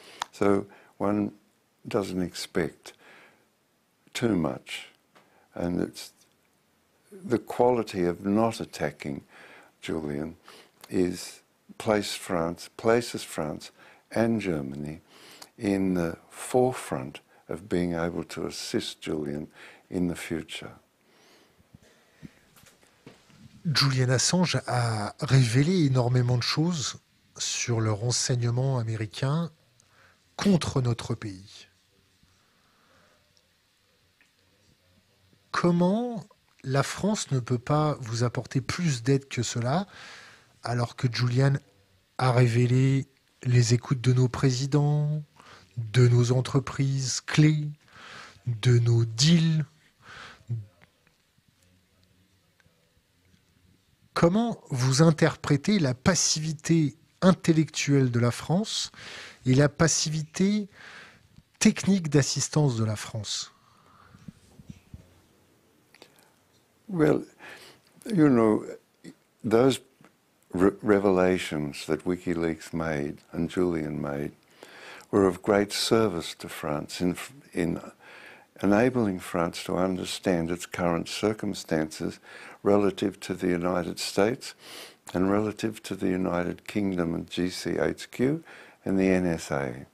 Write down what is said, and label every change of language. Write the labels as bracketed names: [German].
[English] So one doesn't expect too much, and it's the quality of not attacking Julian is places France and Germany in the forefront of being able to assist Julian in the future. [French] Julian Assange a révélé énormément de choses sur le renseignement américain contre notre pays. Comment la France ne peut pas vous apporter plus d'aide que cela, alors que Julian a révélé les écoutes de nos présidents, de nos entreprises clés, de nos deals? Comment vous interprétez la passivité intellectuelle de la France et la passivité technique d'assistance de la France? [English] Well, you know, those revelations that WikiLeaks made and Julian made were of great service to France in enabling France to understand its current circumstances relative to the United States and relative to the United Kingdom and GCHQ and the NSA.